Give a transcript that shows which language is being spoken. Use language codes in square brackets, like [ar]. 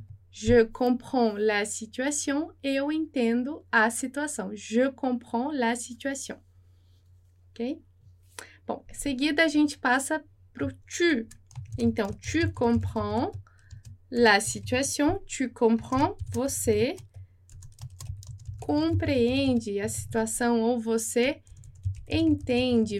[fr] Je comprends la situation, [pt] eu entendo a situação. [fr] Je comprends la situation. [pt] Ok? Bom, em seguida a gente passa para o tu. Então, [fr] tu comprends la situation, tu comprends, [pt] você compreende a situação ou você entende.